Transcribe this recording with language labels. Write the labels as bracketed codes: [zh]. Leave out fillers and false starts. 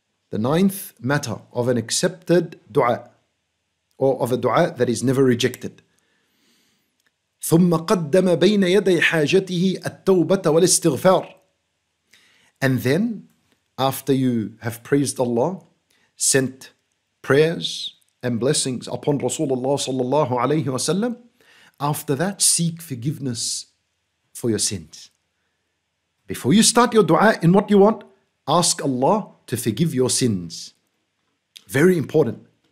[en] The ninth matter of an accepted dua, or of a dua that is never rejected. [ar] ثم قدم بين يدي حاجته التوبة والاستغفار. [en] And then, after you have praised Allah, sent prayers and blessings upon Rasulullah sallallahu alayhi wa sallam, after that, seek forgiveness for your sins. Before you start your dua in what you want, ask Allah to forgive your sins. Very important.